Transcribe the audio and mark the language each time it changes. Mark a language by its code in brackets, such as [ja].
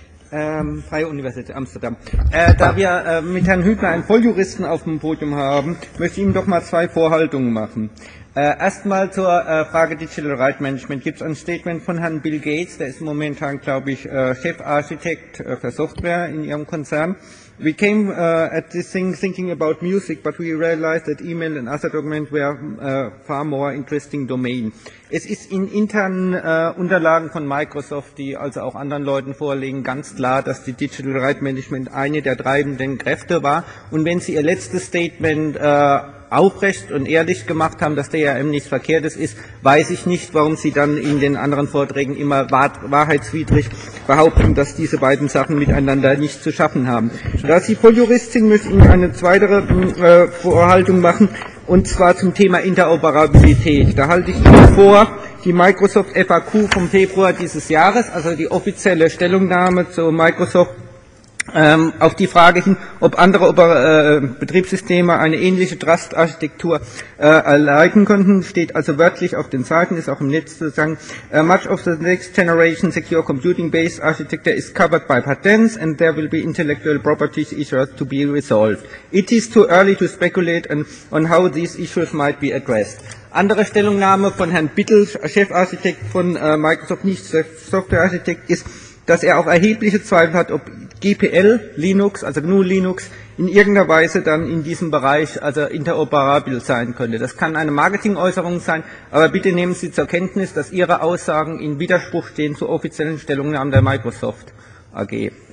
[de] Freie Universität Amsterdam. Da wir mit Herrn Hübner einen Volljuristen auf dem Podium haben, möchte ich ihm doch mal zwei Vorhaltungen machen. Erstmal zur Frage Digital Right Management. Gibt es ein Statement von Herrn Bill Gates, der ist momentan, glaube ich, Chefarchitekt für Software in Ihrem Konzern. [en] We came at this thing thinking about music, but we realized that email and other documents were far more interesting domain. [de] Es ist in internen Unterlagen von Microsoft, die also auch anderen Leuten vorlegen, ganz klar, dass die Digital Right Management eine der treibenden Kräfte war. Und wenn Sie Ihr letztes Statement aufrecht und ehrlich gemacht haben, dass DRM nichts Verkehrtes ist, weiß ich nicht, warum Sie dann in den anderen Vorträgen immer wahrheitswidrig behaupten, dass diese beiden Sachen miteinander nicht zu schaffen haben. Da Sie Volljurist sind, müssen Sie eine zweite Vorhaltung machen, und zwar zum Thema Interoperabilität. Da halte ich Ihnen vor, die Microsoft FAQ vom Februar dieses Jahres, also die offizielle Stellungnahme zu Microsoft, auf die Frage hin, ob andere Betriebssysteme eine ähnliche Trust-Architektur erleiden könnten, steht also wörtlich auf den Seiten, ist auch im Netz zu sagen. [en] Much of the next generation secure computing based architecture is covered by patents and there will be intellectual property issues to be resolved. It is too early to speculate on how these issues might be addressed. [de] Andere Stellungnahme von Herrn Bittel, Chefarchitekt von Microsoft, nicht Software-Architekt, ist, dass er auch erhebliche Zweifel hat, ob GPL, Linux, also GNU Linux, in irgendeiner Weise dann in diesem Bereich also interoperabel sein könnte. Das kann eine Marketingäußerung sein, aber bitte nehmen Sie zur Kenntnis, dass Ihre Aussagen in Widerspruch stehen zur offiziellen Stellungnahme der Microsoft AG.